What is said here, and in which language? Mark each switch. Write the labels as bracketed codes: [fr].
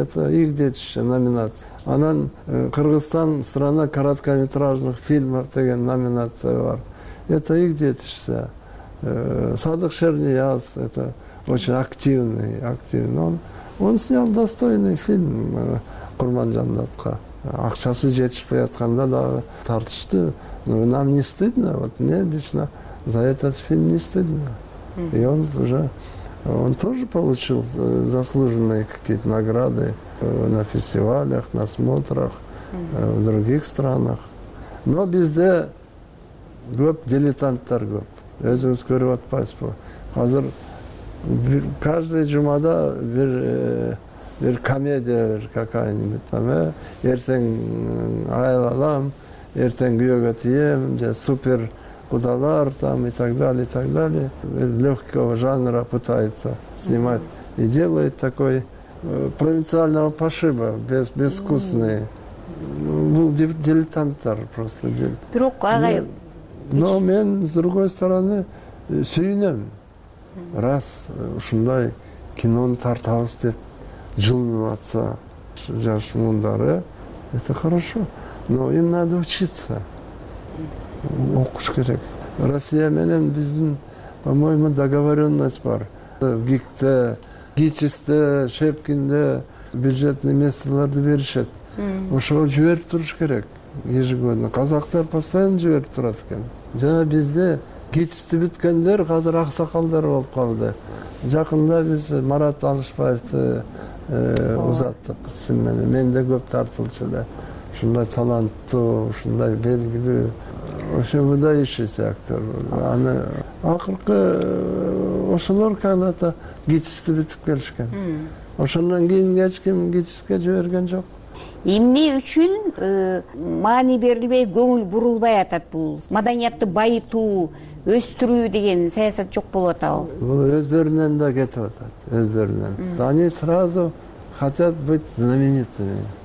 [ru] Это их детище, номинация. Анан Кыргызстан страна короткометражных фильмов [ky] деген номинация бар. [ru] Это их детище. Садык Шернияз, это очень активный. Он снял достойный фильм Курманжандатка. [ky] Акчасы жетишпей атканда дагы тартышты. [ru] Ну, нам не стыдно, вот мне лично за этот фильм не стыдно. И он уже, он тоже получил заслуженные какие-то награды на фестивалях, на смотрах в других странах. [ky] Но бизде көп дилетанттар көп. Өзүңүз көрүп атпайсызбы? Азыр каждый жумада бир комедия, бир [ru] какая-нибудь там, [ky] эртең айлалам, эртең күйөөгө тием, же супер кудалар там [ru] и так далее, и так далее. Легкого жанра пытается снимать. И делает такой провинциального пошиба, безвкусный. [ky] Был дилетанттар просто. Бирок агай. Но мен [ru] с другой стороны [ky] сүйүнөм. Раз ушундай кинонун тартабыз деп жылынып атса жаш муундары, [ru] это хорошо. Но им надо учиться. [ky] Окуш керек. Россия менен биздин, по-моему, договоренность бар. [ru] В ГИКТе, ГИЧИСТе, Шепкинде бюджетные местоларды [ky] беришет. Ошого жиберип туруш керек ежегодно. Казактар постоянно жиберип турат экен. Жана бизде ГИЧИСТи бүткөндөр азыр аксакалдар болуп калды. Жакында биз Марат Алышбаевди узаттык сын менен. Менде көп тартылчу эле. Ушундай таланттуу, ушундай белгилүү, ошо [ru] выдающийся актер. [ky] Аны акыркы ошолор когда-то ГИЧИСТи бүтүп келишкен. Ошондон кийин эч ким ГИЧИСТке жиберген жок. Эмне үчүн маани берилбей, көңүл бурулбай атат бул? Маданиятты байытуу, өстүрүү деген саясат жок болуп атабы? Бул өздөрүнөн да кетип атат, өздөрүнөн. [ru] Они сразу хотят быть знаменитыми.